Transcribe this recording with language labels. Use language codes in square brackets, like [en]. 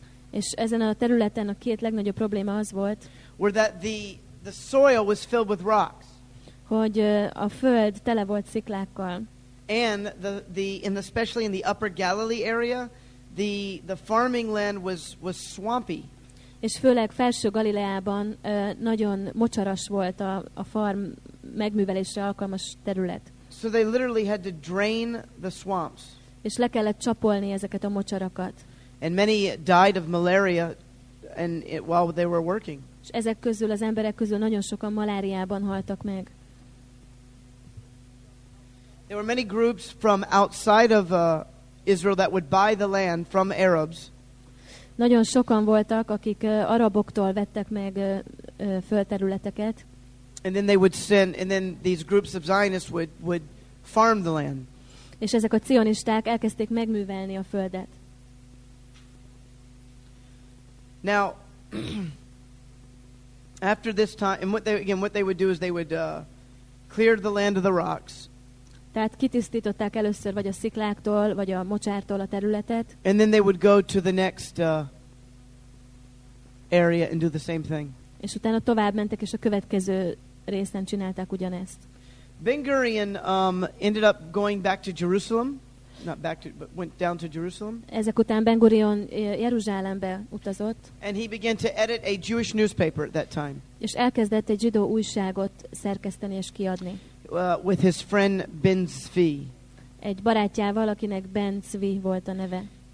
[hu] És ezen a területen a két legnagyobb probléma az volt, [en] were that the soil was filled with rocks. [hu] Hogy a föld tele volt sziklákkal. [en] And especially in the Upper Galilee area, the farming land was swampy. [hu] És főleg felső Galileában nagyon mocsaras volt a farm megművelésre alkalmas terület. [en] So they literally had to drain the swamps. [hu] És le kellett csapolni ezeket a mocsarakat. [en] And many died of malaria while they were working. [hu] És ezek közül az emberek közül nagyon sokan maláriában haltak meg. [en] There were many groups from outside of Israel that would buy the land from Arabs. [hu] Nagyon sokan voltak, akik araboktól vettek meg földterületeket. [en] And then they would send, and then these groups of Zionists would farm the land. [hu] És ezek a cionisták elkezdték megművelni a földet. [en] Now, after this time, and what they would do is they would clear the land of the rocks. [hu] Tehát kitisztították először vagy a szikláktól, vagy a mocsártól a területet. [en] And then they would go to the next area and do the same thing. [hu] És utána tovább mentek, és a következő részen csinálták ugyanezt. [en] Ben-Gurion ended up going back to Jerusalem. Not back to, but went down to Jerusalem. [hu] Ezek után Ben-Gurion Jeruzsálembe utazott. [en] And he began to edit a Jewish newspaper at that time. [hu] És elkezdett egy zsidó újságot szerkeszteni és kiadni. [en] With his friend Ben Zvi. [hu] Egy barátjával, akinek Ben Zvi volt a neve.